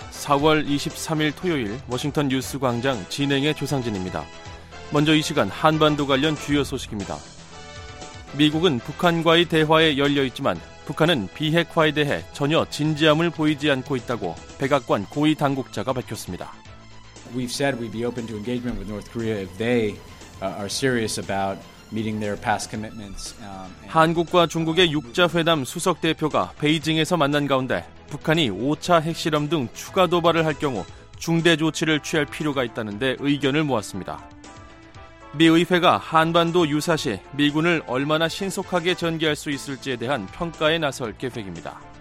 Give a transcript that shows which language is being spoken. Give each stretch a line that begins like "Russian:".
Korean: 4월 23일 토요일 워싱턴 뉴스 광장 진행의 조상진입니다. 먼저 이 시간 한반도 관련 주요 소식입니다. 미국은 북한과의 대화에 열려있지만 북한은 비핵화에 대해 전혀 진지함을 보이지 않고 있다고 백악관 고위 당국자가 밝혔습니다.
English: We've said we'd be open to engagement with North Korea if they are serious about meeting their past commitments.
Korean: 한국과 중국의 6자회담 수석대표가 베이징에서 만난 가운데 북한이 5차 핵실험 등 추가 도발을 할 경우 중대 조치를 취할 필요가 있다는 데 의견을 모았습니다. 미 의회가 한반도 유사시 미군을 얼마나 신속하게 전개할 수 있을지에 대한 평가에 나설 계획입니다.